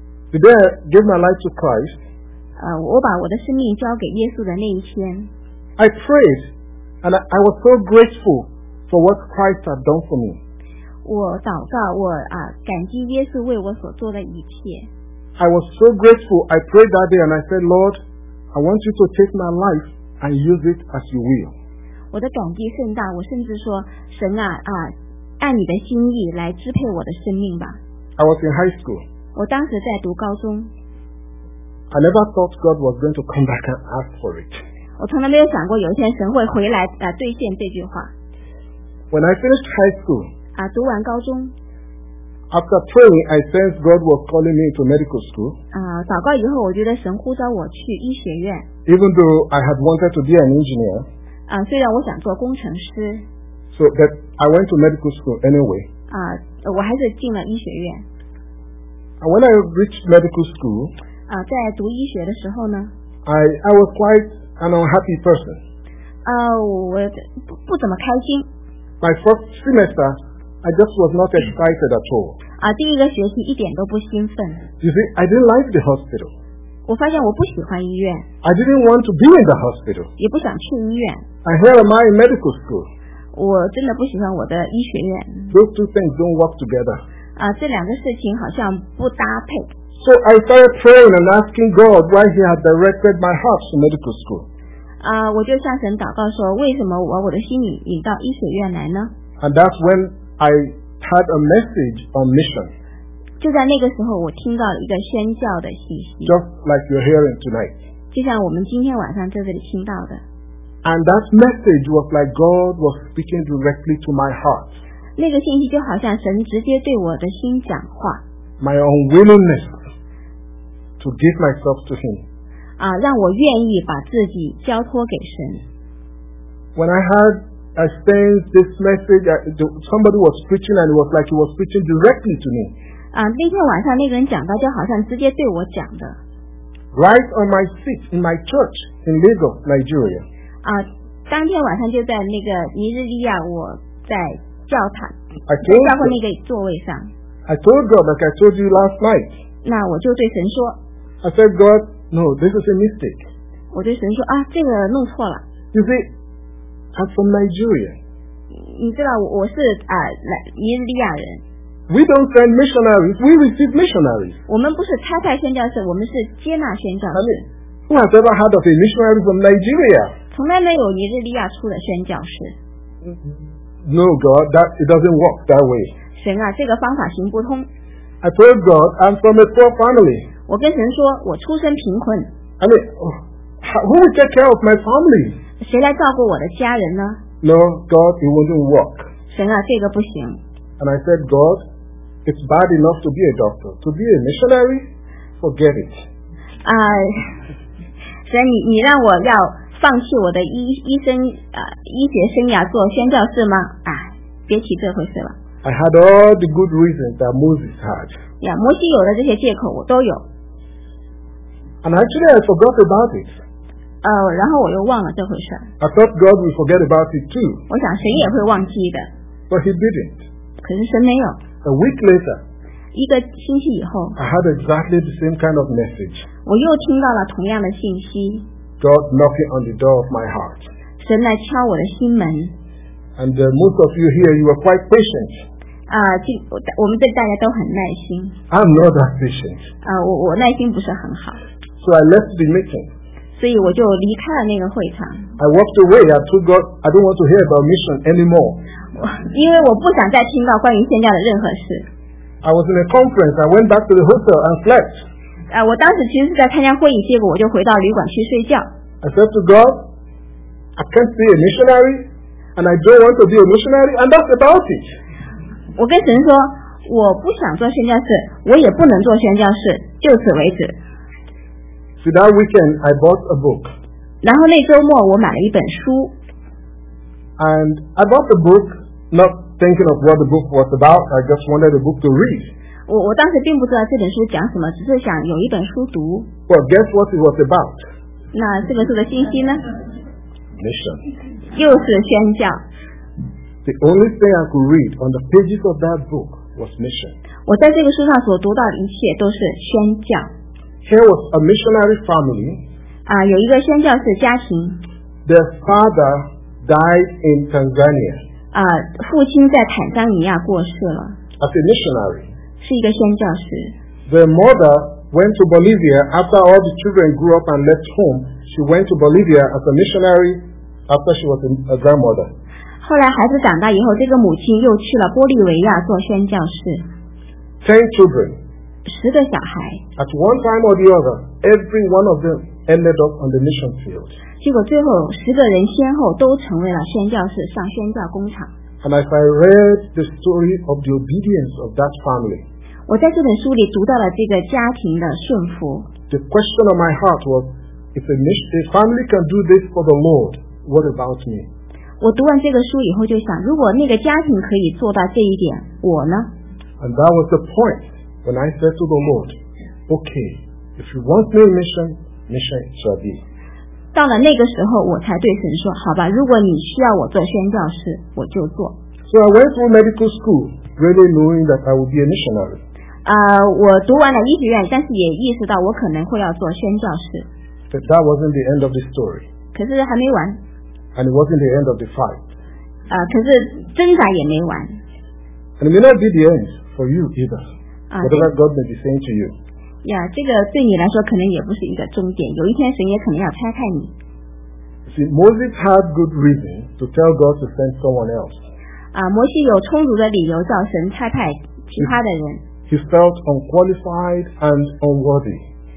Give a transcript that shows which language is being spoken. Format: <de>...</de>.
<en>The day I gave my life to Christ</en> <zh>我把我的生命交给耶稣的那一天</zh> <en>I prayedAnd I was so grateful for what Christ had done for me.</en> <zh>我祷告，我啊感激耶稣为我所做的一切。</zh> <en>I was so grateful. I prayed that day and I said, Lord, I want you to take my life and use it as you will.</en> <zh>我的感激甚大，我甚至说，神啊啊，按你的心意来支配我的生命吧。</zh> <en>I was in high school.</en> <zh>我当时在读高中。</zh> <en>I never thought God was going to come back and ask for it.</en> <zh>我从来没有想过有一天神会回来兑现这句话。</zh> <en>When I finished high school,</en> <zh>读完高中</zh> <en>after praying, I sensed God was calling me to medical school.</en> <zh>祷告以后，我觉得神呼召我去医学院。</zh> <en>Even though I had wanted to be an engineer,</en> <zh>虽然我想做工程师。</zh> <en>So that I went to medical school anyway.</en> <zh>我还是进了医学院。</zh> <en>And when I reached medical school,</en> <zh>在读医学的时候呢</zh> <en>I was quite. An unhappy person.</en> <zh>我不怎么开心。</zh> <en>My first semester, I just was not excited at all.</en> <zh>第一个学期一点都不兴奋。</zh> <en>You see, I didn't like the hospital.</en> <zh>我发现我不喜欢医院。</zh> <en>I didn't want to be in the hospital.</en> <zh>也不想去医院。</zh> <en>I hate my medical school.</en> <zh>我真的不喜欢我的医学院。</zh> <en>Those two things don't work together.</en> <zh>这两个事情好像不搭配。</zh> <en>So I started praying and asking God why He had directed my heart to medical school.</en> <zh>我就向神祷告说，为什么我的心引到医学院来呢？</zh> <en>And that's when I had a message on mission.</en> <zh>就在那个时候，我听到了一个宣教的信息。</zh> <en>Just like you're hearing tonight.</en> <zh>就像我们今天晚上在这里听到的。</zh> <en>And that message was like God was speaking directly to my heart.</en> <zh>那个信息就好像神直接对我的心讲话。</zh> <en>My unwillingness. To give myself to Him.</en> <zh>让我愿意把自己交托给神。</zh> <en>When I had sent this message, somebody was preaching, and it was like he was preaching directly to me.</en> <zh>那天晚上那个人讲到，就好像直接对我讲的。</zh> <en>Right on my seat in my church in Lagos, Nigeria.</en> <zh>当天晚上就在那个尼日利亚，我在教堂，教会那个座位上。</zh> <en>I told God, like I told you last night.</en> <zh>那我就对神说。</zh> <en>I said, God, no, this is a mistake.</en> <zh>我对神说啊，这个弄错了。</zh> <en>You see, I'm from Nigeria.</en> <zh>你知道我是尼日利亚人。</zh> <en>We don't send missionaries, we receive missionaries.</en> <zh>我们不是差派宣教士，我们是接纳宣教士。</zh> <en>I mean, who has ever heard of a missionary from Nigeria?</en> <zh>从来没有尼日利亚出的宣教士。</zh> <en>No, God, that it doesn't work that way.</en> <zh>神啊，这个方法行不通。</zh> <en>I told God, I'm from a poor family.</en> <zh>我跟神说，我出身贫困。</zh> <en>I mean, who will take care of my family?</en> <zh>谁来照顾我的家人呢</zh> <en>？No, God, it wouldn't work.</en> <zh>神啊，这个不行。</zh> <en>And I said, God, it's bad enough to be a doctor. To be a missionary, forget it.</en> <zh>神，你让我要放弃我的医生医学生涯做宣教士吗？别提这回事了。</zh> <en>I had all the good reasons that Moses had.</en> <zh>摩西有的这些借口我都有。</zh> <en>And actually, I forgot about it.</en> <zh>然后我又忘了这回事。</zh> <en>I thought God would forget about it too.</en> <zh>我想神也会忘记的。</zh> <en>But He didn't.</en> <zh>可是神没有。</zh> <en>A week later,</en> <zh>一个星期以后</zh> <en>I had exactly the same kind of message.</en> <zh>我又听到了同样的信息。</zh> <en>God knocking on the door of my heart.</en> <zh>神来敲我的心门。</zh> <en>And most of you here, you are quite patient.</en> <zh>我们对大家都很耐心。</zh> <en>I'm not that patient.</en> <zh>我耐心不是很好。</zh> <en>So I left the meeting.</en> <zh>所以我就离开了那个会场。</zh> <en>I walked away. I told God, I don't want to hear about mission anymore.</en> <zh>因为我不想再听到关于宣教的任何事。</zh> <en>I was in a conference. I went back to the hotel and slept.</en> <zh>我当时其实是在参加会议，结果我就回到旅馆去睡觉。</zh> <en>I said to God, I can't be a missionary, and I don't want to be a missionary, and that's about it.</en> <zh>我跟神说，我不想做宣教士，我也不能做宣教士，就此为止。</zh> <en>So that weekend, I bought a book.</en> <zh>然后那周末我买了一本书。</zh> <en>And I bought the book not thinking of what the book was about. I just wanted a book to read.</en> <zh>我当时并不知道这本书讲什么，只是想有一本书读。</zh> <en>Well, guess what it was about?</en> <zh>那这本书的信息呢？</zh> <en>Mission.</en> <zh>又是宣教。</zh> <en>The only thing I could read on the pages of that book was mission.</en> <zh>我在这个书上所读到的一切都是宣教。</zh> <en>Here was a missionary family.</en> <zh>有一个宣教士家庭。</zh> <en>Their father died in Tanzania.</en> <zh>父亲在坦桑尼亚过世了。</zh> <en>As a missionary.</en> <zh>是一个宣教士。</zh> <en>Their mother went to Bolivia after all the children grew up and left home. She went to Bolivia as a missionary after she was a grandmother.</en> <zh>后来孩子长大以后，这个母亲又去了玻利维亚做宣教士。</zh> <en>10 children.</en> <zh>十个小孩。</zh> <en>At one time or the other, every one of them ended up on the mission field.</en> <zh>结果最后十个人先后都成为了宣教士，上宣教工厂。</zh> <en>And as I read the story of the obedience of that family,</en> <zh>我在这本书里读到了这个家庭的顺服。</zh> <en>The question of my heart was, if a family can do this for the Lord, what about me?</en> <zh>我读完这个书以后就想，如果那个家庭可以做到这一点，我呢？</zh> <en>And that was the point. When I said to the Lord, okay, if you want me a mission, mission shall be.</en> <zh>到了那个时候，我才对神说，好吧，如果你需要我做宣教士，我就做。</zh> <en>So I went through medical school, really knowing that I would be a missionary.</en> <zh>我读完了医学院，但是也意识到我可能会要做宣教士。</zh> <en>But that wasn't the end of the story.</en> <zh>可是还没完。</zh> <en>And it wasn't the end of the fight.</en> <zh>可是挣扎也没完。</zh> <en>And it may not be the end for you either. Whatever God may be saying to you.</en> <zh>Yeah, 这个对你来说可能也不是一个终点，有一天神也可能要拆开你。</zh> <en>See, Moses had good reason to tell God to send someone else.</en> <zh>摩西有充足的理由叫神拆派其他的人。</zh> <en>He felt unqualified and unworthy.</en>